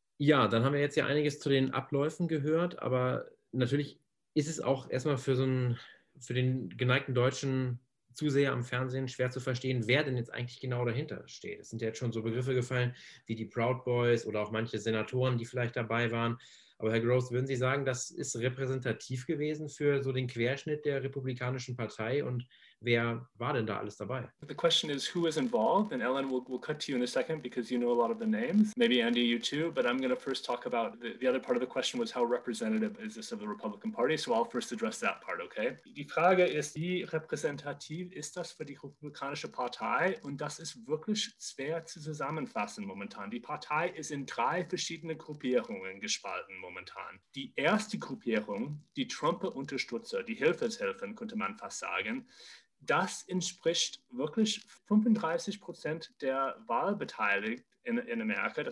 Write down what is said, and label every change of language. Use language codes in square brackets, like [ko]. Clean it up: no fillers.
[de] Ja, dann haben wir jetzt ja einiges zu den Abläufen gehört, aber natürlich ist es auch erstmal für den geneigten deutschen Zuseher am Fernsehen schwer zu verstehen, wer denn jetzt eigentlich genau dahinter steht. Es sind ja jetzt schon so Begriffe gefallen wie die Proud Boys oder auch manche Senatoren, die vielleicht dabei waren. Aber Herr Gross, würden Sie sagen, das ist repräsentativ gewesen für so den Querschnitt der Republikanischen Partei? Und wer war denn da alles dabei? [en] The question is, who is involved? And Ellen, we'll cut to you in a second, because you know a lot of the names. Maybe Andy, you too. But I'm going to first talk about the other part of the question was, how representative is this of the Republican Party? So I'll first address that part, okay? [de] Die Frage ist, wie repräsentativ ist das für die Republikanische Partei? Und das ist wirklich schwer zu zusammenfassen momentan. Die Partei ist in drei verschiedene Gruppierungen gespalten. Momentan. Die erste Gruppierung, die Trump-Unterstützer, die Hilfeshelfen, könnte man fast sagen, das entspricht wirklich 35% der Wahlbeteiligten in Amerika.